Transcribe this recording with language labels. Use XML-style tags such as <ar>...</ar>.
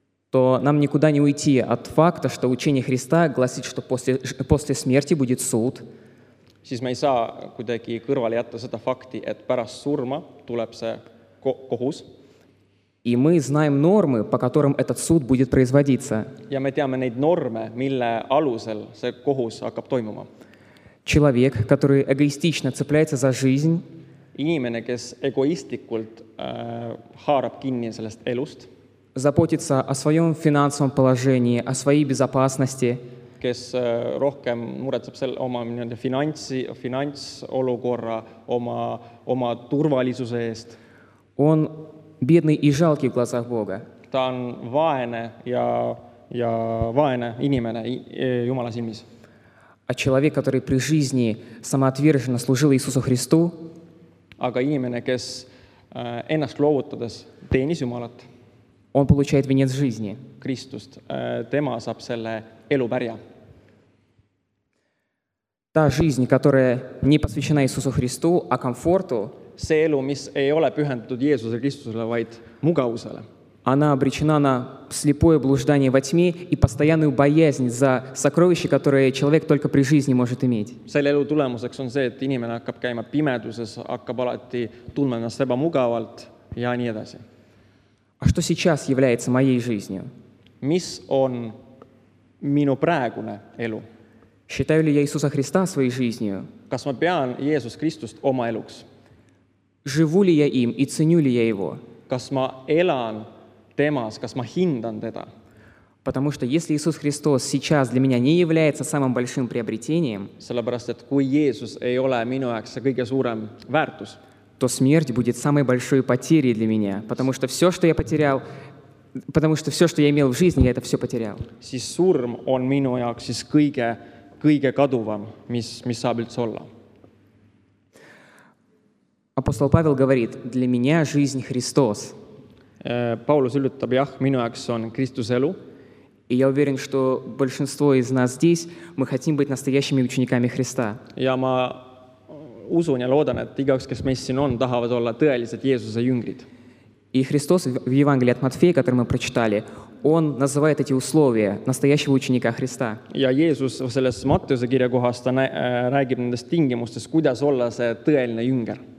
<ru>то нам никуда не уйти от факта, что учение Христа гласит, что после смерти будет суд.</ru> <et>Siis me ei saa kuidagi kõrvale jätta seda fakti, et pärast surma tuleb see kohus.</et> <ru>И мы знаем нормы, по которым этот суд будет производиться.</ru> <et>Ja me teame neid norme, mille alusel see kohus hakkab toimuma.</et> <ru>Человек, который эгоистично цепляется за жизнь,</ru> <et>inimene, kes egoistlikult haarab kinni sellest elust,</et> <ru>заботится о своем финансовом положении, о своей безопасности,</ru> <et>kes rohkem muretseb selle oma finantsolukorra, oma turvalisuse eest,</et> <ru>он бедный и жалкий в глазах Бога.</ru> <et>Ta on vaene ja vaene inimene Jumala silmis.</et> <ru>А человек, который при жизни самоотверженно служил Иисусу Христу,</ru> <et>aga inimene, kes ennast loovutades teenis Jumalat,</et> <ru>он получает венец жизни.</ru> <et>Kristust. Tema saab selle elupärja.</et> <ru>Та жизнь, которая не посвящена Иисусу Христу, а комфорту,</ru> <et>see elu, mis ei ole pühendatud Jeesuse Kristusele, vaid mugavusele,</et> <ru>она обречена на слепое блуждание во тьме и постоянную боязнь за сокровища, которые человек только при жизни может иметь.</ru> <et>Selle elu tulemuseks on see, et inimene hakkab käima pimeduses, hakkab alati tundma ennast ebamugavalt ja nii edasi.</et> <ru>А что сейчас является моей жизнью?</ru> <et>Mis on minu praegune elu?</et> <ru>Считаю ли я Иисуса Христа своей жизнью?</ru> <et>Kas ma pean Jeesus Kristust oma eluks?</et> <ru>Живу ли я им и ценю ли я его?</ru> <et>Kas ma elan temas, kas ma hindan teda.</et> <ru>Потому что если Иисус Христос сейчас для меня не является самым большим приобретением,</ru> <et>sellepärast, et kui Jeesus ei ole minu jaoks kõige suurem väärtus,</et> <ru>то смерть будет самой большой потерей для меня, потому что все, что я потерял, потому что все, что я имел в жизни, я это все потерял.</ru> <et>Siis surm on minu jaoks siis kõige kaduvam, mis saab üldse olla.</et> <ru>Апостол Павел говорит: "Для меня жизнь Христос".</ru> <et>Paulus ütleb, jah, minu jaoks on Kristus elu.</et> <ru>И я уверен, что большинство из нас здесь, мы хотим быть настоящими учениками Христа.</ru> <et>Ja ma usun ja loodan, et igaks, kes meist siin on, tahavad olla tõelised Jeesuse jüngrid.</et> <ru>И Христос в Евангелии от Матфея, который мы прочитали, он называет эти условия настоящего ученика Христа.</ru> <et>Ja Jeesus selles Mattiuse kirjakohas räägib nendest tingimustest, kuidas olla see tõeline jünger.</et>